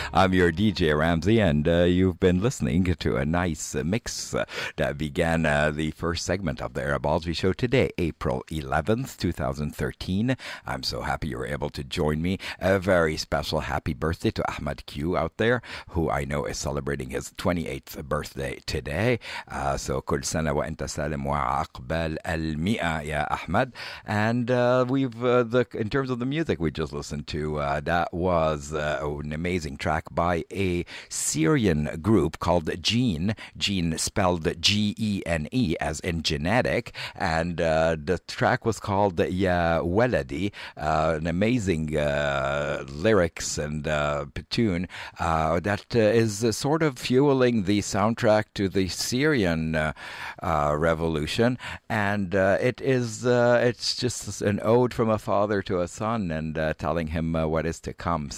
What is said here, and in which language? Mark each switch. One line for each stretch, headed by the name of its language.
English: I'm your DJ Ramzi, and you've been listening to a nice mix that began the first segment of the Arabology Show today, April 11th, 2013. I'm so happy you were able to join me. A very special happy birthday to Ahmad Q out there, who I know is celebrating his 28th birthday today.
Arabic: So كل سنة وأنت سالم وعقبال المئة يا Ahmad.
English: And in terms of the music we just listened to, that was an amazing track by a Syrian group called Gene, spelled G-E-N-E as in genetic, and the track was called Ya Weladi, an amazing lyrics and tune that is sort of fueling the soundtrack to the Syrian revolution, and it's just an ode from a father to a son and telling him what is to come.